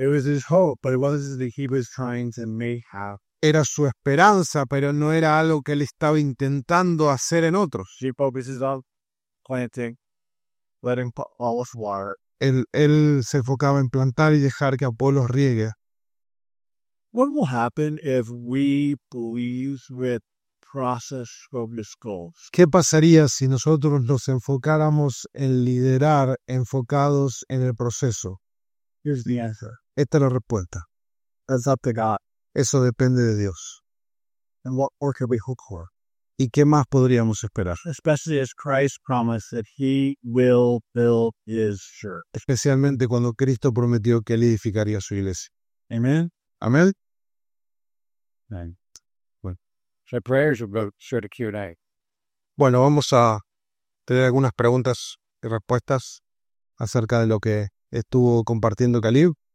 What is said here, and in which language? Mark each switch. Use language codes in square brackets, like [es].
[en] It was his hope, but it wasn't that he was trying to make happen. [es] Era su esperanza, pero no era algo que él estaba intentando hacer en otros. [en] He focuses on planting. Letting Apollos water. [es] Él se enfocaba en plantar y dejar que Apolos riegue. [en] What will happen if we believe with process-focused goals? [es] ¿Qué pasaría si nosotros nos enfocáramos en liderar enfocados en el proceso? [en] Here's the answer. [es] Esta es la respuesta. [en] That's up to God. [es] Eso depende de Dios. [en] And what more can we hope for? [es] ¿Y qué más podríamos esperar? [en] Especially as Christ promised that he will build his church. [es] Especialmente cuando Cristo prometió que él edificaría su iglesia. [en] Amen. [es] Amen. [en] Amen. [es] Bueno. [en] So prayers will go straight to Q&A. [es] Bueno, vamos a tener algunas preguntas y respuestas acerca de lo que estuvo compartiendo Caleb.